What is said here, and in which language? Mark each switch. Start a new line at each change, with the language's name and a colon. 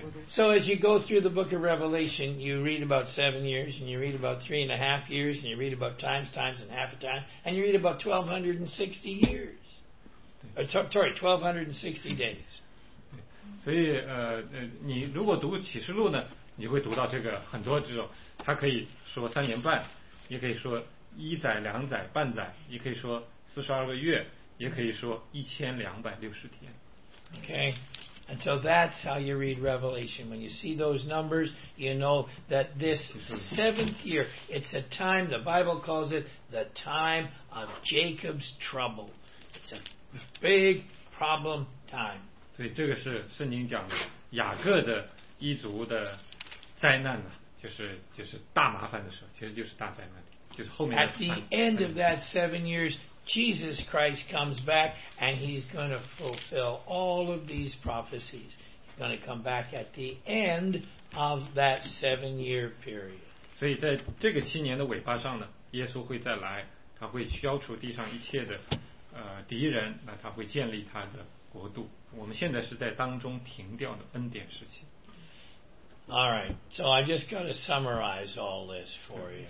English: So as you go through the book of Revelation, you read about 7 years, and you read about 3.5 years, and you read about times, times, and half a time, and you read about 1260 years. Sorry, 1260 days.
Chinese: 所以你如果读启示录呢，你会读到这个很多这种，它可以说三年半，也可以说一载、两载、半载，也可以说42个月。也可以说1260天。
English: Okay, and so that's how you read Revelation. When you see those numbers, you know that this seventh year, it's a time, the Bible calls it the time of Jacob's trouble. It's a big problem time.
Chinese: 对，这个是圣经讲的雅各的一族的灾难呢、啊，就是大麻烦的时候，其实就是大灾难，就是后面的。
English: At the end of that 7 years. Jesus Christ comes back and he's going to fulfill all of these prophecies. He's going to come back at the end of that 7 year period.
Chinese: 所以在这个七年的尾巴上呢，耶稣会再来，他会消除地上一切的敌人，那他会建立他的国度。我们现在是在当中停掉的恩典时期。
English: All right, so I just got to summarize all this for you.